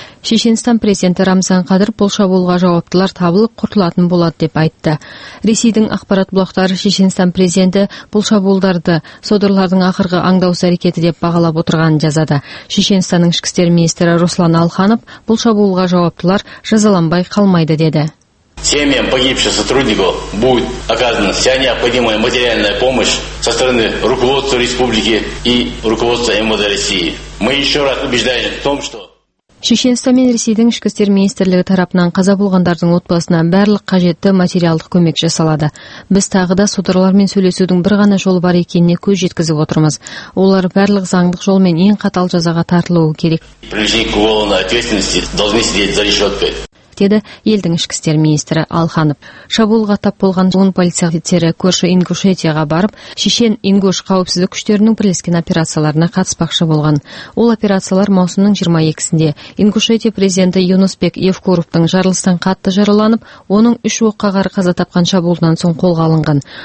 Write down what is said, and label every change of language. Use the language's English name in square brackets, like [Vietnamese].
[Kazakh] Шешенстан президенті Рамзан Қадыр бұл шабуылға жауаптылар табылып құртылатын болады деп айтты. Ресейдің ақпарат блоктары Шешенстан президенті бұл шабуылдарды содырлардың ақырғы аңдаусыз әрекеті деп бағалап отырғанын жазады. Шешенстанның ішкі істер министрі Руслан Алханов бұл шабуылға жауаптылар жазаланбай қалмайды деді. [Russian] Семьям погибших сотрудников будет оказана вся необходимая материальная помощь со стороны руководства республики и руководства МВД России. Мы еще раз убеждаем в том, что... [Kazakh] Шешенстан мен Ресейдің ішкі істер министрлігі тарапынан қаза болғандардың отбасына барлық қажетті материалдық көмек жасалады. Біз тағы да содырлармен сөйлесудің бір ғана жолы бар екеніне көз жеткізіп отырмыз. Олар барлық заңдық жолмен ең қатал жазаға тартылуы керек. [Russian] Привлечение к уголовной ответственности должны сидеть за решеткой. [Kazakh] Деді елдің ішкі істер министрі Алханов. Шабуылға тап болған 10 полиция офицері көрші Ингушетияға барып, шешен ингуш қауіпсіздік күштерінің бірлескен операцияларына қатыспақшы болған. Ол операциялар маусымның 22-сінде Ингушетия президенті Юнисбек Евкуровтың жарылыстан қатты жараланып, оның үш оққа қарсы қаза тапқан шабуылдан соң қолға алынған.